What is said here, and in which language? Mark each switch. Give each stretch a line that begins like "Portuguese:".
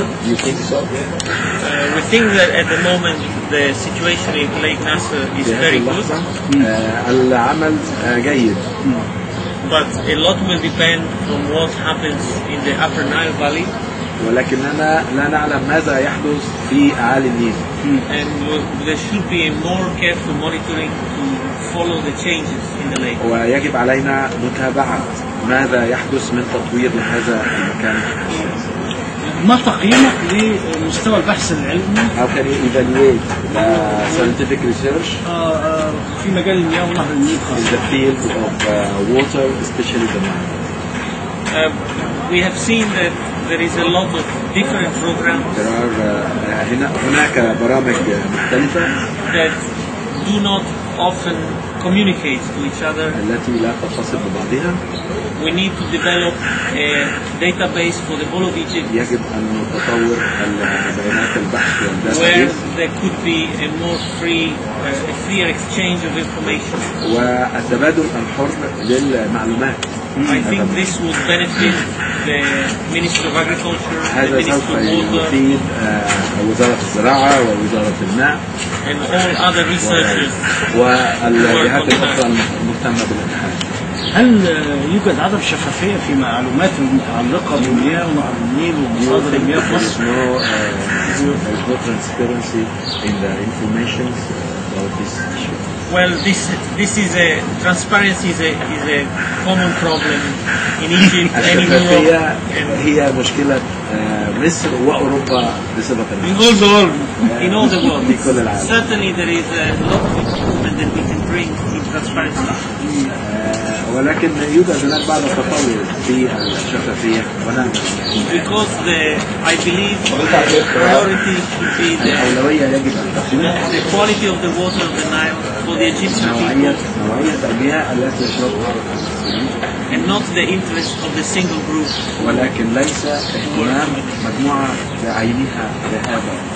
English: We think that at the moment the situation in Lake Nasser is very good.
Arabic: العمل جيد.
English: But a lot will depend on what happens in the Upper Nile Valley.
Arabic: ولكننا لا نعلم ماذا يحدث في أعالي النيل.
English: And there should be a more careful monitoring to follow the changes in the lake.
Arabic: ويجب علينا متابعة ماذا يحدث من تطوير لهذا المكان. ما تقييمك لمستوى البحث العلمي؟
English: How can you evaluate the scientific research?
Arabic: في مجال المياه
English: in the field of water, especially the mine. We have seen that there is a lot of different programs. There are
Arabic: هناك برامج مختلفة
English: that do not often communicate to each other.
Arabic: التي لا تتصل ببعضها.
English: We need to develop a database for the whole of Egypt.
Arabic: يجب أن نطور البيانات البحث والداتا.
English: Where there could be a more free, a freer exchange of information.
Arabic: والتبادل الحر للمعلومات.
English: I think this would benefit the Ministry of Agriculture, the Ministry of Water,
Arabic: وزارة الزراعة ووزارة الماء,
English: and all other researchers.
Arabic: والجهات الأخرى المهتمة بالإبحاث. هل يوجد عدم شفافية في معلومات متعلقة بالمياه ونهر النيل ومصادر المياه في مصر؟
English: No, there's no transparency in the information about this issue. Well, this is a transparency is a common problem in Egypt and in Europe.
Arabic: هي مشكلة مصر وأوروبا بسبب المياه.
English: In all the world.
Arabic: في كل العالم.
English: Certainly there is a lot of improvement that we can bring in transparency.
Arabic: ولكن يوجد هناك بعض التطور في الشفافية ونعمل.
English: Because the I believe the priority should be the quality of the water of the Nile for the Egyptian people.
Arabic: نوعية المياه التي يشربها الناس.
English: And not the interest of the single group.
Arabic: ولكن ليس اهتمام مجموعة بعينها لهذا